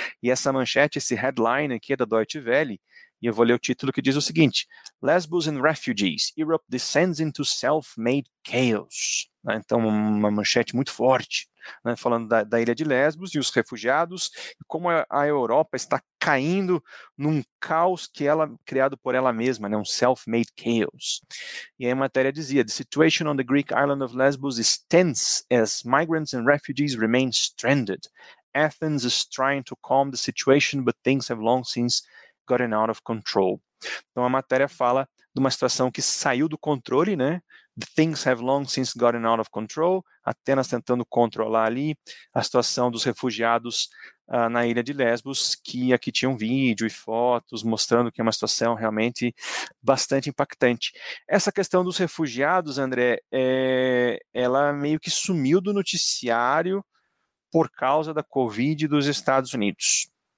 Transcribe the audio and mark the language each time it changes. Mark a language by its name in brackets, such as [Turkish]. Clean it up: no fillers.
[Portuguese] E essa manchete, esse headline aqui é da Deutsche Welle, e eu vou ler o título, que diz o seguinte: [English] Lesbos and Refugees, Europe descends into self-made chaos. [Portuguese] Então, uma manchete muito forte, né, falando da ilha de Lesbos e os refugiados, e como a Europa está caindo num caos criado por ela mesma, né, um [English] self-made chaos. [Portuguese] E aí a matéria dizia: [English] The situation on the Greek island of Lesbos is tense as migrants and refugees remain stranded. Athens is trying to calm the situation, but things have long since gotten out of control. [Portuguese] Então a matéria fala de uma situação que saiu do controle, né, [English] Things have long since gotten out of control. [Portuguese] Atenas tentando controlar ali a situação dos refugiados na ilha de Lesbos, que aqui tinha um vídeo e fotos mostrando que é uma situação realmente bastante impactante. Essa questão dos refugiados, André, ela meio que sumiu do noticiário por causa da Covid dos Estados Unidos.